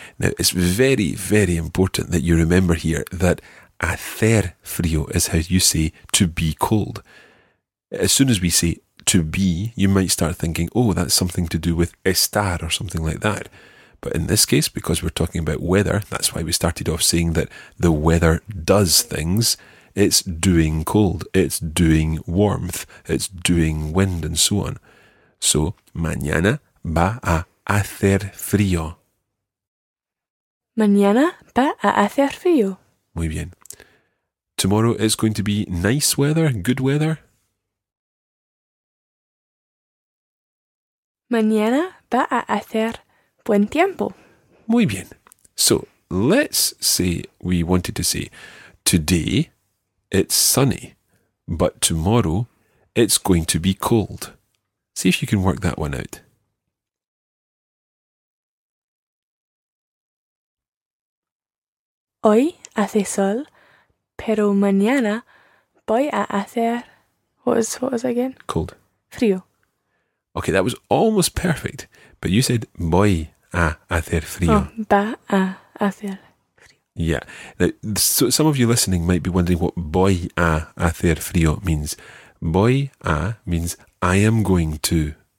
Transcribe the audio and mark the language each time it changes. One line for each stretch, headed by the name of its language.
English: Now, it's very, very important that you remember here that
Spanish: hacer frío
English: is how you say to be cold. As soon as we say to be, you might start thinking, oh, that's something to do with estar or something like that. But in this case, because we're talking about weather, that's why we started off saying that the weather does things. It's doing cold. It's doing warmth. It's doing wind and so on. So,
Spanish: mañana va a hacer frío. Mañana va a hacer frío. Muy bien.
English: Tomorrow is going to be nice weather, good weather.
Spanish: Mañana va a hacer buen tiempo. Muy bien.
English: So, let's say we wanted to say, today it's sunny, but tomorrow it's going to be cold. See if you can work that one out.
Spanish: Hoy hace sol, pero mañana voy a hacer...
English: What was again? Cold.
Spanish: Frío.
English: Okay, that was almost perfect, but you said
Spanish: voy a hacer frío. Oh, va a hacer frío.
English: Yeah. Now, so some of you listening might be wondering what
Spanish: voy a hacer frío
English: means.
Spanish: Voy a
English: means I am going to.